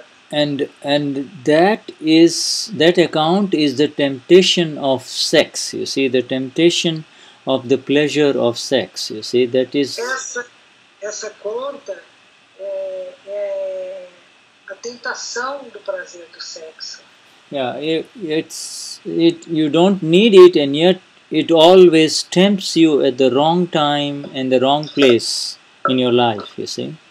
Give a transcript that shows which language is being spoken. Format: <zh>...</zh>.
<en>And that account is the temptation of sex, you see, the temptation of the pleasure of sex, you see, that is...</en> <pt>Essa conta a tentação do prazer do sexo.</pt> <en>Yeah, it's you don't need it and yet it always tempts you at the wrong time and the wrong place in your life, you see.</en>